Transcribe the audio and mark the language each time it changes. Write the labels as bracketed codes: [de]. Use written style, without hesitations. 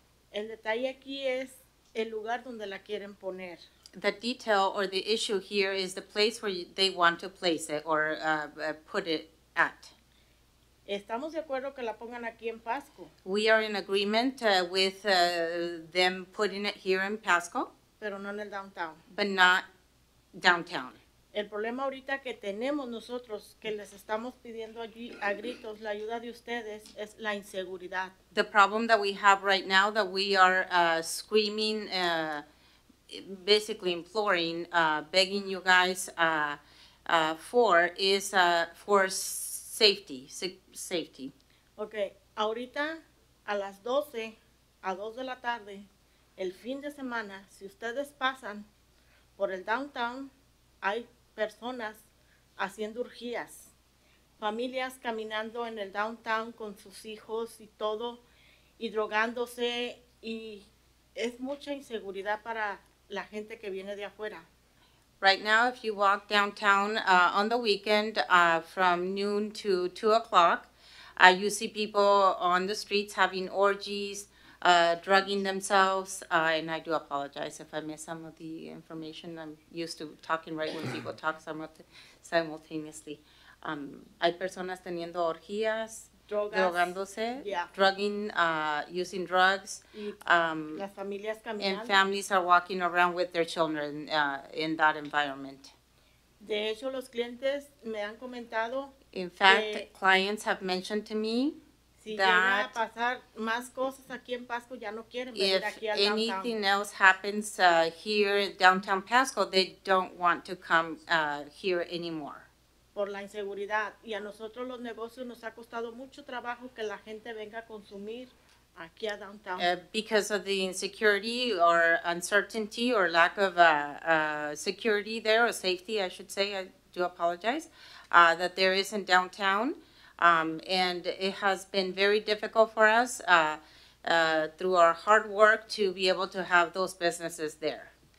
[es] El detalle aquí es el lugar donde la quieren poner. [en] The detail or the issue here is the place where they want to place it or put it at. [es] Estamos de acuerdo que la pongan aquí en Pasco. [en] We are in agreement with them putting it here in Pasco. [es] Pero no en el downtown. [en] But not downtown. [es] El problema ahorita que tenemos nosotros, que les estamos pidiendo allí a gritos la ayuda de ustedes, es la inseguridad. [en] The problem that we have right now that we are screaming, basically imploring, begging you guys for is for safety. Safety. [es] Okay, ahorita a las 12, a 2 de la tarde, el fin de semana, si ustedes pasan por el downtown, hay personas haciendo urgías, familias caminando en el downtown con sus hijos y todo, y drogándose, y es mucha inseguridad para la gente que viene de afuera. [en] Right now, if you walk downtown on the weekend from noon to 2 o'clock, you see people on the streets having orgies, drugging themselves. And I do apologize if I miss some of the information. I'm used to talking right when people talk simultaneously. [es] Hay personas teniendo orgías, drogas, drogándose, yeah. [en] Drugging, using drugs. [es] Las familias caminando. [en] And families are walking around with their children in that environment. [es] De hecho, los clientes me han comentado. [en] In fact, clients have mentioned to me [es] si [en] that [es] a pasar más cosas aquí en Pasco, ya no quieren venir [en] if [es] aquí al [en] anything downtown. Else happens here in downtown Pasco, they don't want to come here anymore. [es] Por la inseguridad. Y a nosotros los negocios nos ha costado mucho trabajo que la gente venga a consumir aquí a downtown. [en] Because of the insecurity or uncertainty or lack of security there, or safety, I should say, I do apologize, that there is in downtown. And it has been very difficult for us through our hard work to be able to have those businesses there.